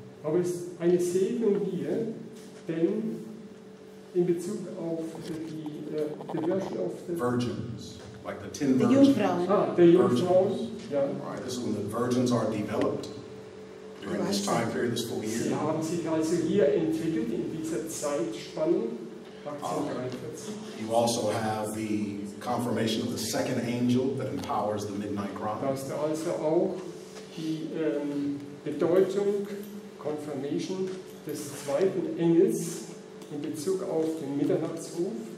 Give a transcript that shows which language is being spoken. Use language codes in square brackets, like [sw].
[de] Aber es ist eine Segnung hier, denn in Bezug auf die Version [en] of the virgins. like the 10 virgins. The Jungfrauen. Ah, the Jungfrauen. Yeah. Right, this is when the virgins are developed during this time period, this full year. [de] Sie haben sich also hier entwickelt in dieser Zeitspanne. 1843. [en] You also have the confirmation of the second angel that empowers the midnight cry. [de] Das ist also auch die Bedeutung, Confirmation des zweiten Engels in Bezug auf den Mitternachtsruf.